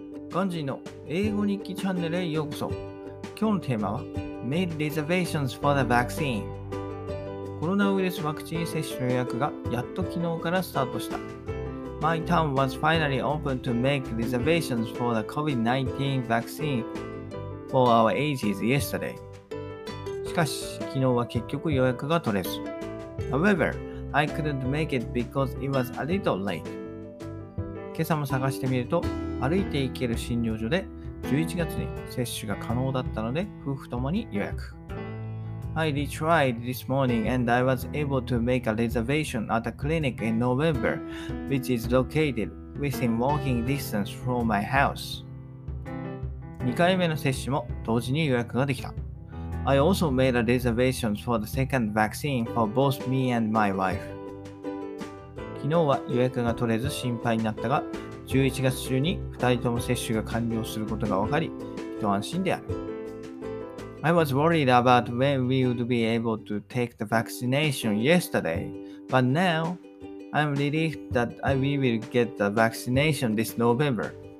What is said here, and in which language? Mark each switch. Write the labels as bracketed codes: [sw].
[ja] ガンジーの英語日記チャンネルへようこそ。今日のテーマは [en] Made Reservations for the Vaccine。 [ja] コロナウイルスワクチン接種予約がやっと昨日からスタートした。 [en] My town was finally open to make reservations for the COVID-19 vaccine for our ages yesterday。 [ja] しかし昨日は結局予約が取れず。 [en] However, I couldn't make it because it was a little late。 [ja] 今朝も探してみると、歩いて行ける診療所で11月に接種が可能だったので、夫婦ともに予約。 [en] I retried this morning and I was able to make a reservation at a clinic in November, which is located within walking distance from my house. [ja] 2回目の接種も同時に予約ができた。 [en] I also made a reservation for the second vaccine for both me and my wife. [ja] 昨日は予約が取れず心配になったが、11月中に2人とも接種が完了することが分かり、一安心である。 [en] I was worried about when we would be able to take the vaccination yesterday, but now I'm relieved that we will get the vaccination this November.